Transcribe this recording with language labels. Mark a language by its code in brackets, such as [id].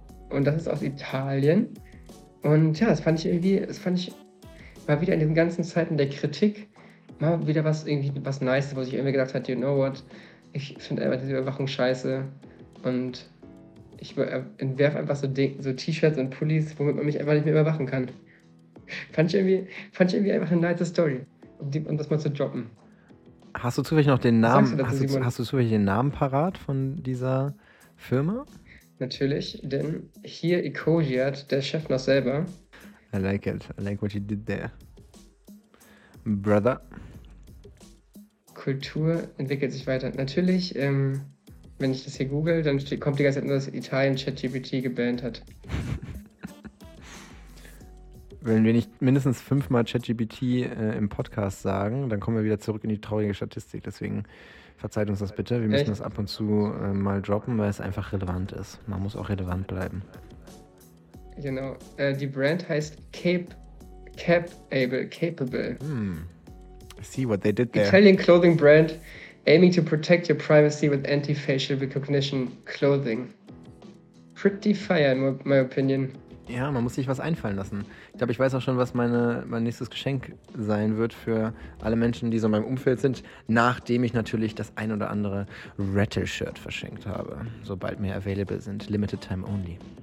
[de] Und das ist aus Italien. Und ja, mal wieder in den ganzen Zeiten der Kritik mal wieder was Nice, wo sich irgendwie gedacht hat, [en] you know what, [de] ich finde einfach diese Überwachung scheiße und ich entwerf einfach so T-Shirts und Pullis, womit man mich einfach nicht mehr überwachen kann. Fand ich irgendwie einfach eine nice Story, um das mal zu droppen. Hast du zufällig noch den Namen, hast du zufällig den Namen parat von dieser Firma? Natürlich, denn hier Ecogiat, der Chef noch selber. [en] I like it. I like what you did there. Brother. [de] Kultur entwickelt sich weiter. Natürlich, wenn ich das hier google, dann kommt die ganze Zeit nur, dass Italien ChatGPT gebannt hat. Wenn wir nicht mindestens 5-mal ChatGPT im Podcast sagen, dann kommen wir wieder zurück in die traurige Statistik. Deswegen verzeiht uns das bitte. Wir müssen das ab und zu mal droppen, weil es einfach relevant ist. Man muss auch relevant bleiben. Genau. Die Brand heißt Capable. [en] See what they did there. Italian clothing brand aiming to protect your privacy with anti-facial recognition clothing. Pretty fire, in my opinion. [de] Ja, man muss sich was einfallen lassen. Ich glaube, ich weiß auch schon, was mein nächstes Geschenk sein wird für alle Menschen, die so in meinem Umfeld sind, nachdem ich natürlich das ein oder andere Rattle-Shirt verschenkt habe, sobald mehr available sind. [en] Limited time only.